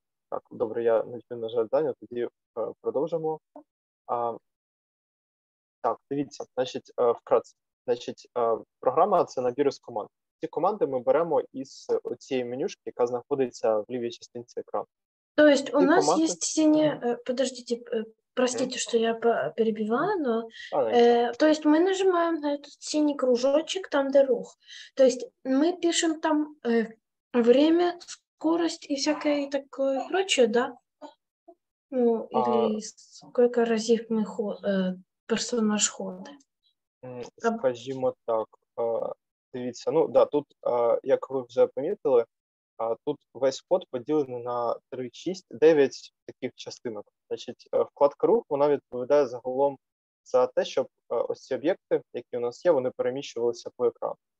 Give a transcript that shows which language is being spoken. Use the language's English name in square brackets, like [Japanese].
[Ukrainian] Так, добре, я не чую, на жаль, Даня, тоді продовжимо. Так, дивіться, значить, вкратце. Значить, програма – це набір із команд. Ці команди ми беремо із оцієї менюшки, яка знаходиться в лівій частинці екрану. [Russian] То есть у нас есть синие... Подождите, простите, что я перебиваю, но... То есть мы нажимаем на этот синий кружочек, там, где рух. То есть мы пишем там время, скорость и всякое такое прочее, да? Или сколько разів мы персонаж ходы. [Ukrainian] Скажімо так, дивіться, тут, як ви вже помітили, тут весь код поділений на 3, 6, 9 таких частинок. Значить, вкладка рух, вона відповідає загалом за те, щоб ось ці об'єкти, які у нас є, вони переміщувалися по екрану.